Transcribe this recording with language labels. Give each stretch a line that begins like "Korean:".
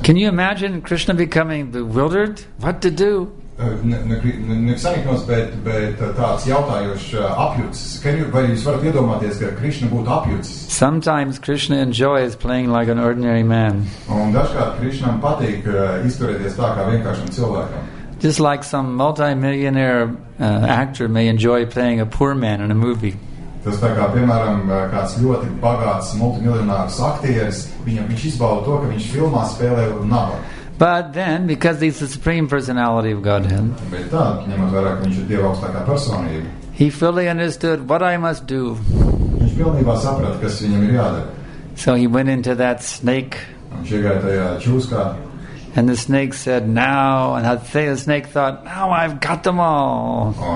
English: Can you imagine Krishna becoming bewildered? What to do?
Latvian: Saniknos, bet tāds jautājošs apjūcis. Vai jūs varat iedomāties, ka Krishna būtu apjūcis?
English: Sometimes Krishna enjoys playing like an ordinary man.
Latvian: Un dažkārt Krishnam patīk izturēties tā kā vienkāršam cilvēkam.
English: Just like some multimillionaire actor may enjoy playing a poor man in a movie.
Latvian: Tas tā kā, piemēram, kāds ļoti bagāts multimiljonārs aktieris, viņš izbauda to, ka viņš filmā spēlē nabagu.
English: But then, because he's the supreme personality of Godhead,
Latvian: bet tad, ņemot vērā, ka viņš ir Dieva augstākā personība,
English: he fully understood what I must do.
Latvian: Viņš pilnībā saprata, kas viņam ir jādara.
English: So he went into that snake.
Latvian: Viņš iegāja tajā čūskā.
English: And the snake said, now, and the snake thought, now I've got them all.